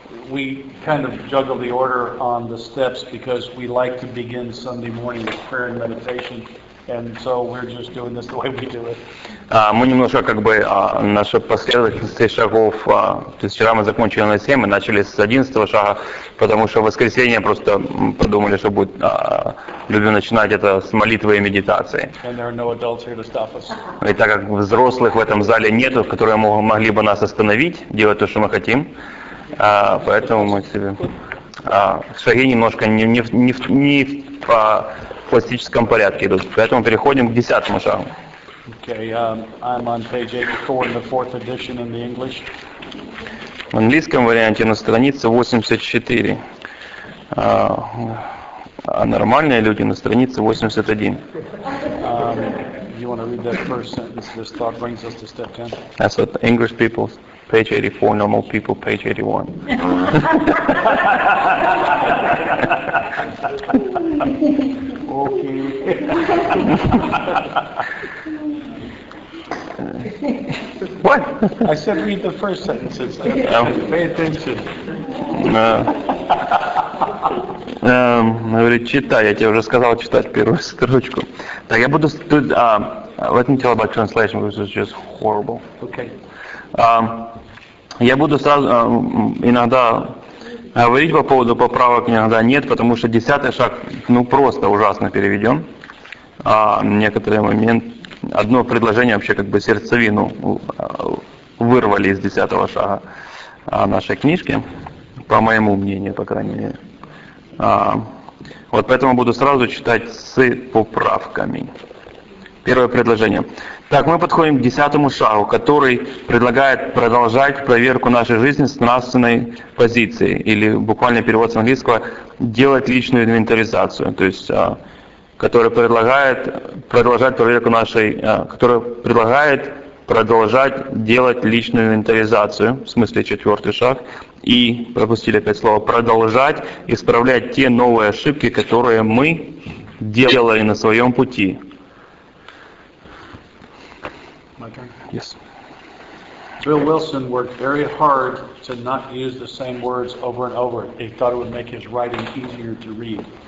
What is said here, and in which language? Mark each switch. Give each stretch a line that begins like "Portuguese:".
English: We kind of juggle the order on the steps because we like to begin Sunday morning with prayer and meditation, and so we're just doing this the way we do it.
Russian: Мы немножко как бы наша последовательность шагов. То есть вчера мы закончили на 7, мы начали с 11 шага, потому что в воскресенье просто подумали, что будет любим начинать это с молитвы и медитации.
English: And there are no adults here to stop us.
Russian: И так как взрослых в этом зале нету, которые могли бы нас остановить, делать то, что мы хотим, поэтому мы себе шаги немножко не в классическом порядке идут. Поэтому переходим к десятому шагу.
English: Okay, I'm on page 84 in the fourth edition in the English.
Russian: В английском варианте на странице 84. А нормальные люди на странице 81.
English: You want to read that first sentence? This thought brings us to step 10. That's what the English people, page 84, normal people, page 81. Okay. What? I said read the first sentence. Pay attention.
Russian: Говорит, читай, я тебе уже сказал читать первую строчку. Так, я буду...
English: let me tell about translation, which is just horrible. Okay.
Russian: Я буду сразу иногда говорить по поводу поправок, иногда нет, потому что десятый шаг, ну, просто ужасно переведен. Некоторый момент... Одно предложение вообще как бы сердцевину вырвали из десятого шага нашей книжки, по моему мнению, по крайней мере. Вот поэтому буду сразу читать с поправками. Первое предложение. Так, мы подходим к десятому шагу, который предлагает продолжать проверку нашей жизни с нравственной позиции, или буквально перевод с английского, делать личную инвентаризацию, то есть, который предлагает продолжать проверку нашей, который предлагает продолжать делать личную инвентаризацию, в смысле четвертый шаг, и пропустили опять слово, продолжать исправлять те новые ошибки, которые мы делали на своем пути.
English: Yes. Bill Wilson worked very hard to not use the same words over and over. He thought it would make his writing easier to read.